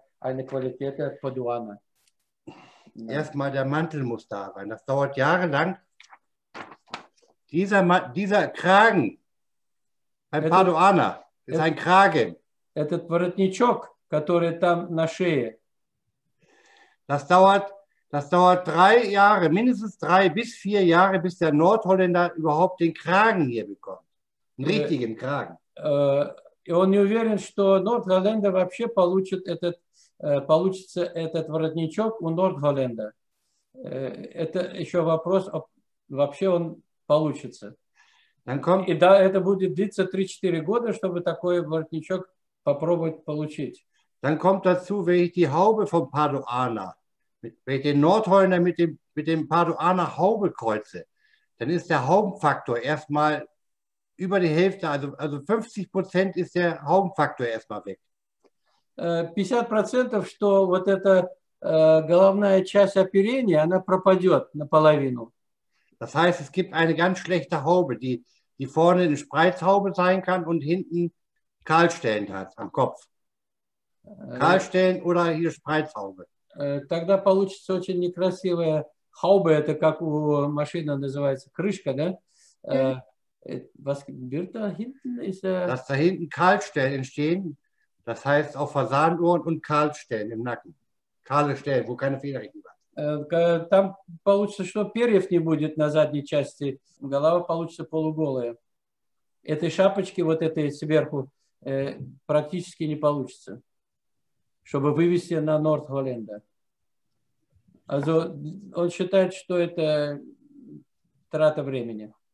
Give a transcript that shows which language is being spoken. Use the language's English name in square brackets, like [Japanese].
[German] eine Qualität der Paduana. Erstmal der Mantel muss da sein. Das dauert jahrelang. Dieser Kragen, ein Paduana, ist ein Kragen. [Russian] Этот воротничок, который там на шее. [German] Das dauert 3 Jahre, mindestens 3 bis 4 Jahre, bis der Nordholländer überhaupt den Kragen hier bekommt. Einen richtigen Kragen. [Russian] И он не уверен, что Nordholländer вообще получит этот, получится этот воротничок у Nordholländer. Это еще вопрос, ob вообще он получится. [German] Dann kommt, [Russian] и да, это будет длиться 3-4 года, чтобы такой воротничок попробовать получить. [German] Dann kommt dazu, wenn ich die Haube vom Paduana, wenn ich den Nordholländer mit dem Paduana Haube kreuze, dann ist der Haubenfaktor erstmal über die Hälfte, also 50% ist der Haubenfaktor erstmal weg. [Russian] 50%, что вот эта головная часть оперения, она пропадет наполовину. [German] Das heißt, es gibt eine ganz schlechte Haube, die vorne eine Spreizhaube sein kann und hinten Kahlstellen hat am Kopf. Kahlstellen oder hier Spreizhaube. [Russian] Тогда получится очень некрасивая хауба, это как у машины называется, крышка, да? [German] Was wird da hinten? Dass da hinten Kahlstellen entstehen, das heißt auch Fasanohren und Kahlstellen im Nacken. Kahle Stellen, wo keine Federn hinten waren. [Russian] Там получится, что перьев не будет на задней части, голова получится полуголая. Этой шапочки, вот этой сверху, практически не получится. Чтобы вывести на Nordholländer. Also, он считает, что это трата времени.